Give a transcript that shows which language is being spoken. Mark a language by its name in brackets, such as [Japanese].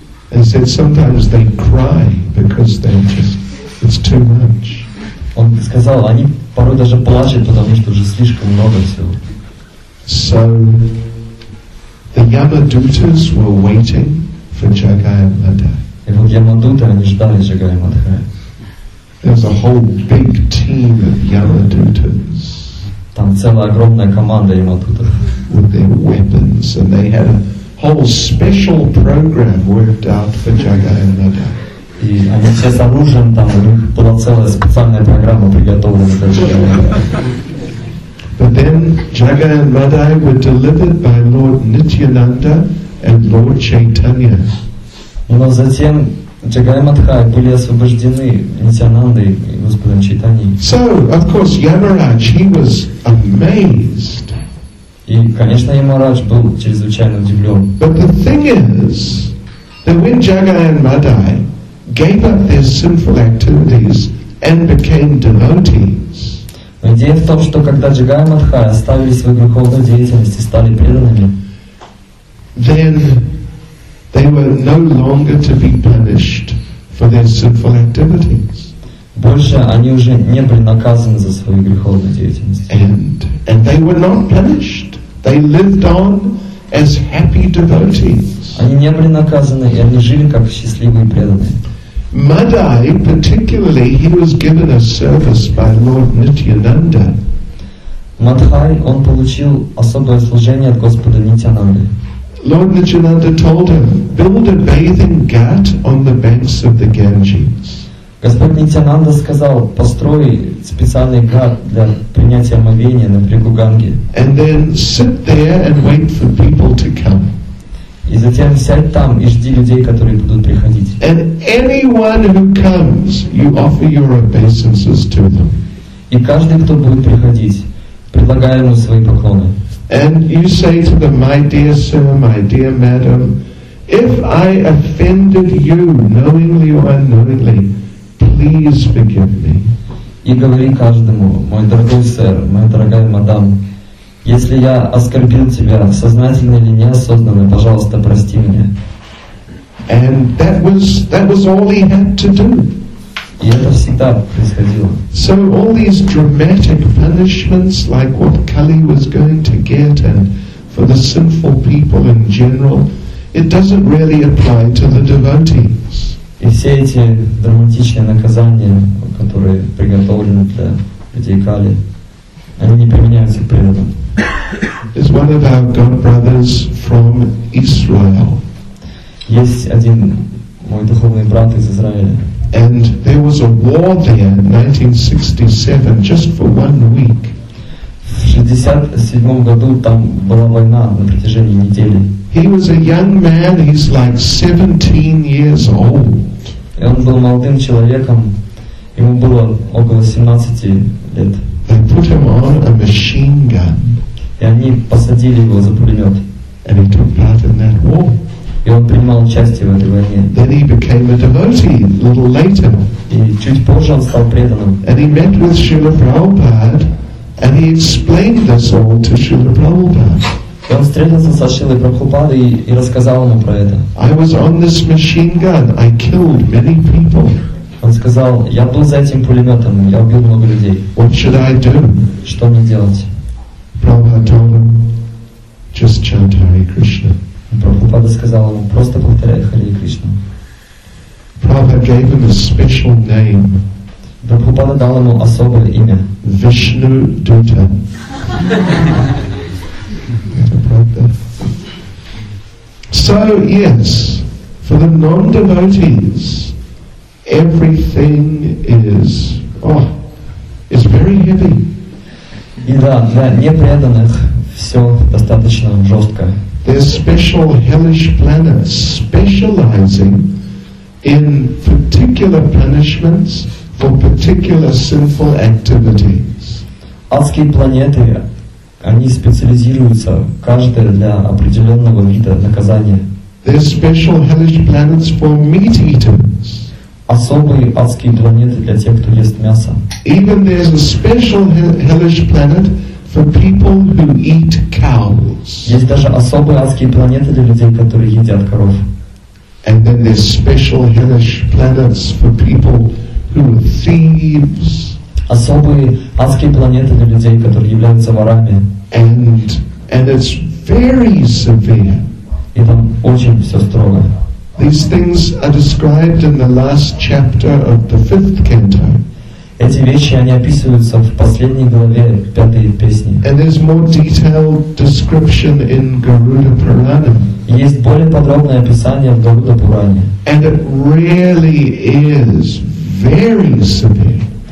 [English] And said sometimes they cry because they're just, it's too much. [Russian] Он сказал, они порой даже плачут, потому что уже слишком много всего. [English] So the Yamadutas were waiting for Jagai and Madhai. [Russian] И вот Ямадуты, они ждали Джагая и Мадхая. [English] There's a whole big team of Yamadutas. [Russian] Там целая огромная команда Ямадутов. [English] With their weapons, and they had a whole special program worked out for Jagai and Madhai. [Russian] И они все с оружием там, у них была целая специальная программа приготовлена для Джагая. [English] But then Jagai and Madhai were delivered by Lord Nityananda and Lord Chaitanya. [Russian] Но затем Джагай и Мадхай были освобождены Нитянандой и Господом Чайтаньей. [English] So, of course, Yamaraj, he was amazed. [Russian] И, конечно, я Махарадж был чрезвычайно удивлен. [English] But the thing is, that when Jagai and Madai gave up their sinful activities and became devotees. [Russian] Но идея в том, что когда Джагай и Мадхай оставили свою духовную деятельность и стали преданными, [English] then they were no longer to be punished for their sinful activities. [Russian] Больше они уже не были наказаны за свою греховную деятельность. [English] And they were not punished. They lived on as happy devotees. [Russian] Они не были наказаны, и они жили как счастливые преданные. [English] Madai, particularly, he was given a service by Lord Nityananda. [Russian] Madhai, он получил особое служение от Господа Нитянанды. [English] Lord Nityananda told him, build a bathing ghat on the banks of the Ganges. [Russian] Господь Нитянанда сказал, построй специальный ghat для принятия омовения на берегу Ганги. [English] And then sit there and wait for people to come. [Russian] И затем сядь там и жди людей, которые будут приходить. [English] And anyone who comes, you offer your obeisances to them. [Russian] И каждый, кто будет приходить, предлагай ему свои поклоны. [English] And you say to them, my dear sir, my dear madam, if I offended you knowingly or unknowingly, please forgive me. [Russian] И говори каждому, мой дорогой сэр, моя дорогая мадам, если я оскорбил тебя, сознательно или неосознанно, пожалуйста, прости меня. [English] And that was all he had to do. [Russian] И это всегда происходило. [English] So all these dramatic punishments, like what Kali was going to get, and for the sinful people in general, it doesn't really apply to the devotees. [Russian] И все эти драматичные наказания, которые приготовлены для людей Кали, они не применяются к преданным. [English] Is one of our god brothers from Israel. [Russian] Есть один мой духовный брат из Израиля. [English] And there was a war there in 1967, just for 1 week. [Russian] В 67 году там была война на протяжении недели. [English] He was a young man. He's like 17 years old. [Russian] И он был молодым человеком. Ему было около 17 лет. [English] They put him on a machine gun. [Russian] И они посадили его за пулемет. [English] And he took part in that war. [Russian] И он принимал участие в этой войне. [English] Then he became a devotee a little later. [Russian] И чуть позже он стал преданным. [English] And he met with Srila Prabhupada, and he explained this all to Srila Prabhupada. [Russian] И он встретился со Шрилой Прабхупадой и рассказал ему про это. [English] I was on this machine gun. I killed many people. [Russian] Он сказал, я был за этим пулеметом, я убил много людей. [English] What should I do? [Russian] Что мне делать? [English] Prabhupada told him, just chant Hare Krishna. [Russian] Prabhupada сказал ему, просто повторяй Hare Krishna. [English] Prabhupada gave him a special name. [Russian] Prabhupada дал ему особое имя. [English] Vishnu Dutta. So, yes, for the non-devotees, everything is very heavy. [Russian] И да, для непреданных все достаточно жестко. [English] There's special hellish planets specializing in particular punishments for particular sinful activities. [Russian] Адские планеты, они специализируются каждая для определенного вида наказания. [English] There's special hellish planets for meat eaters. [Russian] Особые адские планеты для тех, кто ест мясо. [English] Even there's a special hellish planet for people who eat cows. [Russian] Есть даже особые адские планеты для людей, которые едят коров. [English] And then there's special hellish planets for people who are thieves. [Russian] Особые адские планеты для людей, которые являются ворами. [English] And it's very severe. [Russian] И там очень все строго. [English] These things are described in the last chapter of the 5th canto. [Russian] Эти вещи, они описываются в последней главе пятой песни. [English] And there's more detailed description in Garuda Purana. [Russian] Есть более подробное описание в Гаруда Пуране. [English] And it really is very severe.